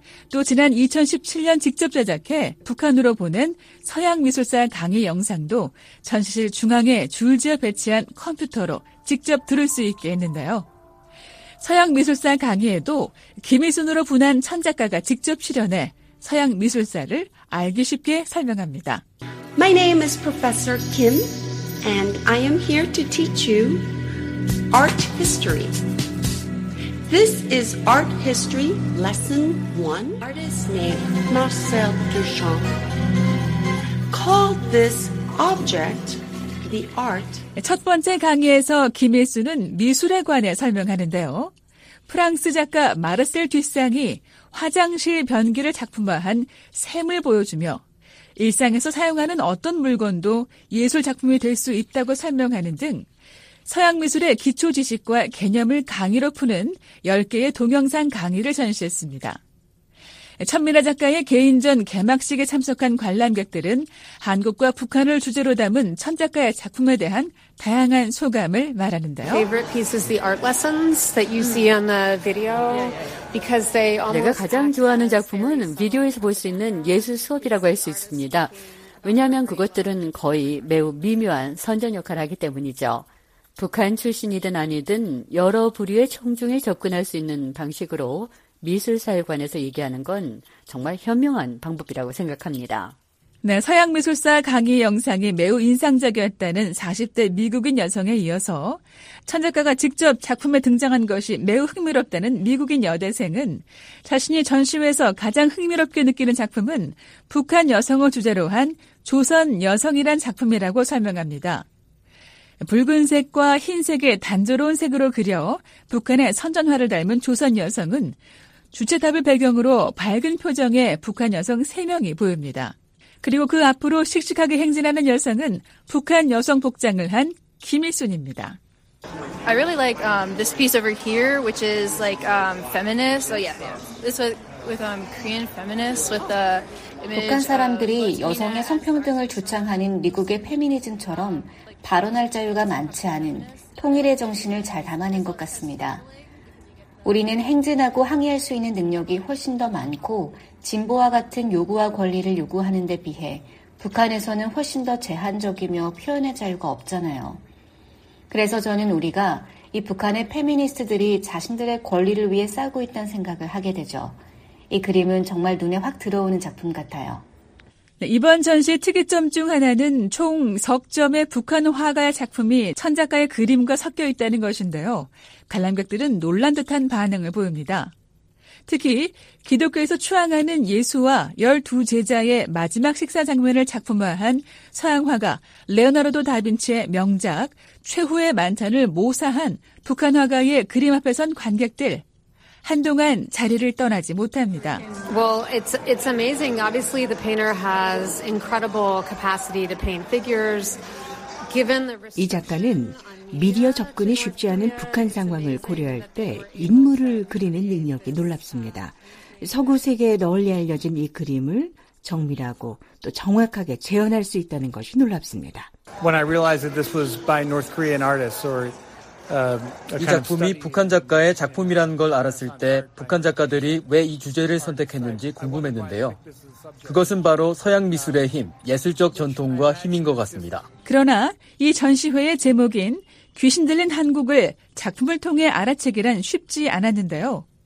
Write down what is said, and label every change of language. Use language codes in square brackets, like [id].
[ko] 또 지난 2017년 직접 제작해 북한으로 보낸 서양미술사 강의 영상도 전시실 중앙에 줄지어 배치한 컴퓨터로 직접 들을 수 있게 했는데요. 서양미술사 강의에도 김희순으로 분한 천작가가 직접 출연해 서양미술사를 알기 쉽게 설명합니다. [en] My name is Professor Kim, and I am here to teach you art history. This is art history lesson one. Artist name Marcel Duchamp called this object the art. [ko] 첫 번째 강의에서 김일수는 미술에 관해 설명하는데요. 프랑스 작가 마르셀 듀상이 화장실 변기를 작품화한 샘을 보여주며 일상에서 사용하는 어떤 물건도 예술 작품이 될 수 있다고 설명하는 등 서양 미술의 기초 지식과 개념을 강의로 푸는 10개의 동영상 강의를 전시했습니다. 천미라 작가의 개인전 개막식에 참석한 관람객들은 한국과 북한을 주제로 담은 천 작가의 작품에 대한 다양한 소감을 말하는데요. [en] Favorite pieces, the art lessons that you see on the video, because they almost. [ko] 내가 가장 좋아하는 작품은 비디오에서 볼 수 있는 예술 수업이라고 할 수 있습니다. 왜냐하면 그것들은 거의 매우 미묘한 선전 역할을 하기 때문이죠. 북한 출신이든 아니든 여러 부류의 청중에 접근할 수 있는 방식으로 미술사에 관해서 얘기하는 건 정말 현명한 방법이라고 생각합니다. 네, 서양 미술사 강의 영상이 매우 인상적이었다는 40대 미국인 여성에 이어서 천작가가 직접 작품에 등장한 것이 매우 흥미롭다는 미국인 여대생은 자신이 전시회에서 가장 흥미롭게 느끼는 작품은 북한 여성을 주제로 한 조선 여성이란 작품이라고 설명합니다. 붉은색과 흰색의 단조로운 색으로 그려 북한의 선전화를 닮은 조선 여성은 주체탑을 배경으로 밝은 표정의 북한 여성 3명이 보입니다. 그리고 그 앞으로 씩씩하게 행진하는 여성은 북한 여성 복장을 한 김일순입니다. [en] I really like this piece over here, which is like feminist. Oh yeah, this was with Korean feminists with the. [ko] 북한 사람들이 여성의 성평등을 주창하는 미국의 페미니즘처럼 발언할 자유가 많지 않은 통일의 정신을 잘 담아낸 것 같습니다. 우리는 행진하고 항의할 수 있는 능력이 훨씬 더 많고 진보와 같은 요구와 권리를 요구하는 데 비해 북한에서는 훨씬 더 제한적이며 표현의 자유가 없잖아요. 그래서 저는 우리가 이 북한의 페미니스트들이 자신들의 권리를 위해 싸우고 있다는 생각을 하게 되죠. 이 그림은 정말 눈에 확 들어오는 작품 같아요. 이번 전시의 특이점 중 하나는 총 3점의 북한 화가의 작품이 천작가의 그림과 섞여 있다는 것인데요. 관람객들은 놀란 듯한 반응을 보입니다. 특히 기독교에서 추앙하는 예수와 12제자의 마지막 식사 장면을 작품화한 서양 화가 레오나르도 다빈치의 명작 최후의 만찬을 모사한 북한 화가의 그림 앞에 선 관객들 한동안 자리를 떠나지 못합니다. [en] Well, it's amazing. Obviously, the painter has incredible capacity to paint figures. Given the [ko] 이 작가는 미디어 접근이 쉽지 않은 북한 상황을 고려할 때 인물을 그리는 능력이 놀랍습니다. 서구 세계에 널리 알려진 이 그림을 정밀하고 또 정확하게 재현할 수 있다는 것이 놀랍습니다. [en] When I realized that this was by North Korean artists or [ko] 이 작품이 북한 작가의 작품이라는 걸 알았을 때 북한 작가들이 왜 이 주제를 선택했는지 궁금했는데요. 그것은 바로 서양 미술의 힘, 예술적 전통과 힘인 것 같습니다. 그러나 이 전시회의 제목인 귀신 들린 한국을 작품을 통해 알아채기란 쉽지 않았는데요.